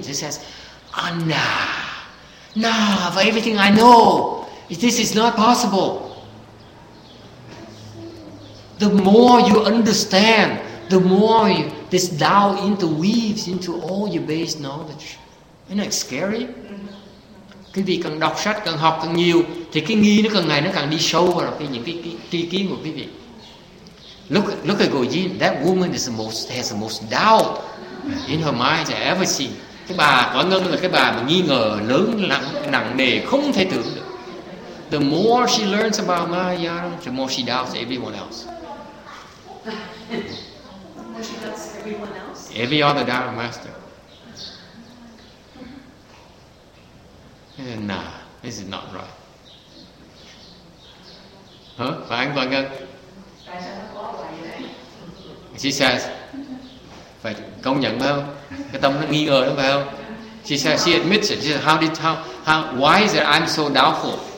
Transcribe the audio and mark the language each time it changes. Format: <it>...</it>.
<en>It says, nah, for everything I know, this is not possible. The more you understand, the more this doubt interweaves into all your base knowledge. Isn't that scary?</en> <vi>Cái vị càng đọc sách, càng học càng nhiều thì cái nghi nó càng ngày nó càng đi sâu vào những cái tri kiến của quý vị.</vi> <en>Look at Goji, that woman has the most doubt in her mind that I ever seen.</en> <vi>Cái bà Quả Ngân là cái bà mà nghi ngờ lớn nặng nề không thể tưởng được.</vi> <en>The more she learns about Maya, the more she doubts everyone else. The more she doubts everyone else? Every other Dharma master. Nah, this is not right.</en> <vi>Phải anh Quả Ngân? Tại sao nó có vậy đấy?</vi> <en>She says,</en> <vi>phải công nhận phải không? Cái tâm nó nghi ngờ đó phải không?</vi> <en>She says, she admits it. She says, how, why is it I'm so doubtful?</en>